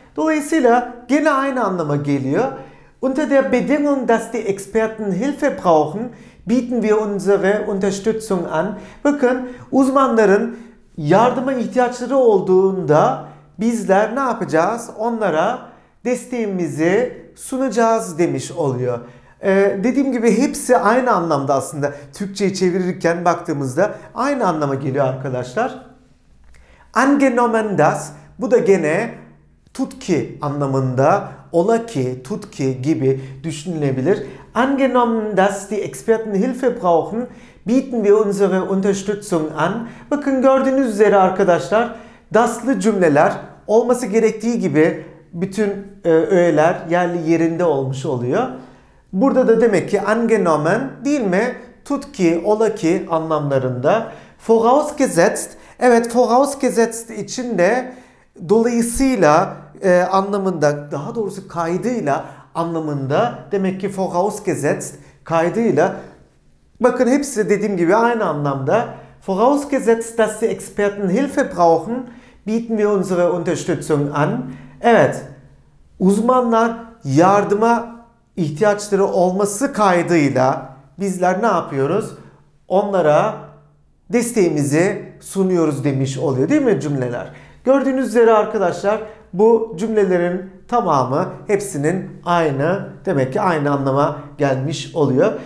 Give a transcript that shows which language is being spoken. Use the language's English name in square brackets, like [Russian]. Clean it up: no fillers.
[Turkish] Dolayısıyla gene aynı anlama geliyor. [German] Unter der Bedingung, dass die Experten Hilfe brauchen, bieten wir unsere Unterstützung an. [Turkish] Bakın, uzmanların yardıma ihtiyaçları olduğunda bizler ne yapacağız? Onlara desteğimizi sunacağız demiş oluyor. Dediğim gibi hepsi aynı anlamda aslında. Türkçe'ye çevirirken baktığımızda aynı anlama geliyor arkadaşlar. [German] Angenommen das, [Turkish] bu da gene tut ki anlamında, ola ki, tut ki gibi düşünülebilir. [German] Angenommen das die Experten Hilfe brauchen, bieten wir unsere Unterstützung an. [Turkish] Bakın gördüğünüz üzere arkadaşlar, daslı cümleler olması gerektiği gibi bütün öğeler yerli yerinde olmuş oluyor. Burada da demek ki angenommen değil mi? Tut ki, ola ki anlamlarında. Vorausgesetzt, evet, vorausgesetzt için de dolayısıyla anlamında, daha doğrusu kaydıyla anlamında, demek ki vorausgesetzt kaydıyla. Bakın hepsi dediğim gibi aynı anlamda. [German] Vorausgesetzt, dass die Experten Hilfe brauchen, bieten wir unsere Unterstützung an. [Turkish] Evet, uzmanlar yardıma ihtiyaçları olması kaydıyla bizler ne yapıyoruz? Onlara desteğimizi sunuyoruz demiş oluyor değil mi cümleler? Gördüğünüz üzere arkadaşlar bu cümlelerin tamamı hepsinin aynı, demek ki aynı anlama gelmiş oluyor.